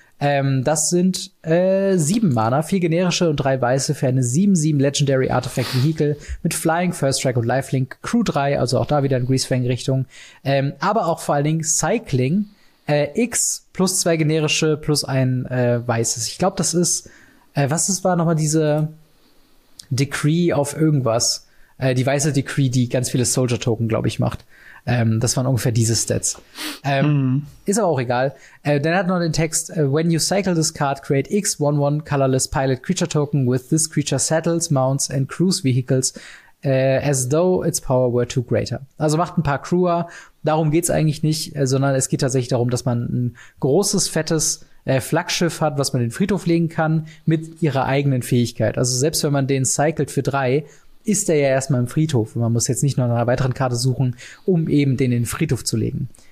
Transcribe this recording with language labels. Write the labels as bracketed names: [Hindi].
[German] Das sind 7 Mana, 4 generische und 3 weiße für eine 7-7 Legendary Artifact Vehicle mit Flying, First Strike und Lifelink, Crew 3, also auch da wieder in Greasefang-Richtung, aber auch vor allen Dingen Cycling, X plus 2 generische plus ein weißes. Ich glaube, das ist, war nochmal diese Decree auf irgendwas, die weiße Decree, die ganz viele Soldier-Token, glaube ich, macht. Das waren ungefähr diese Stats. Ist aber auch egal. [English] Dann hat noch den Text, when you cycle this card, create X11 colorless pilot creature token with this creature saddles, mounts and crews vehicles as though its power were too greater. [German] Also macht ein paar Crewer. Darum geht's eigentlich nicht, sondern es geht tatsächlich darum, dass man ein großes, fettes Flaggschiff hat, was man in den Friedhof legen kann mit ihrer eigenen Fähigkeit. Also selbst wenn man den cycelt für 3, ist der ja erstmal im Friedhof. Und man muss jetzt nicht nur nach einer weiteren Karte suchen, um eben den in den Friedhof zu legen.